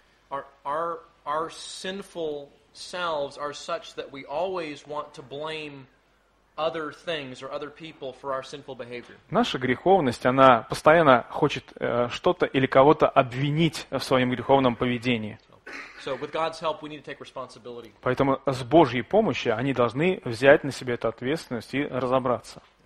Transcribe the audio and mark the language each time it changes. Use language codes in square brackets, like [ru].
[en] Our sinful selves are such that we always want to blame other things or other people for our sinful behavior. [ru] Наша греховность, она постоянно хочет что-то или кого-то обвинить в своем греховном поведении. [en] So with God's help, we need to take responsibility. [ru] Поэтому с Божьей помощью они должны взять на себя эту ответственность и разобраться.